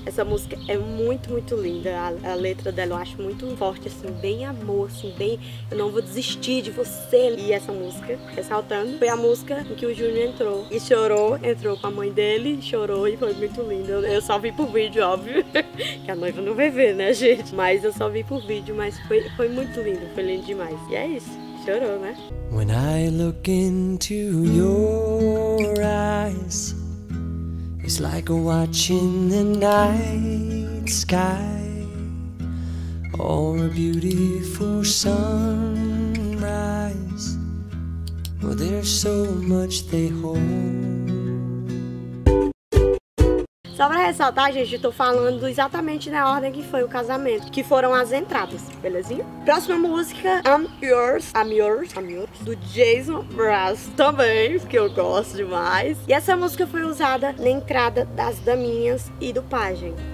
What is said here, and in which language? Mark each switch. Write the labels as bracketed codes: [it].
[pt] Essa música é muito, muito linda. A letra dela eu acho muito forte, assim, bem amor, assim, bem, eu não vou desistir de você. E essa música, ressaltando, foi a música em que o Júnior entrou e chorou, entrou com a mãe dele, chorou e foi muito linda. Eu só vi pro vídeo, óbvio, que a noiva não vai ver, né, gente? Mas eu só vi por vídeo, mas foi muito lindo, foi lindo demais. E é isso, chorou, né? [en] When I look into your eyes, it's like a watch in the night sky, or a beautiful sunrise. Well, there's so much they hold. [pt] Só pra ressaltar, gente, eu tô falando exatamente na ordem que foi o casamento, que foram as entradas, belezinha? Próxima música, I'm Yours, do Jason Mraz também, porque eu gosto demais. E essa música foi usada na entrada das daminhas e do pajem.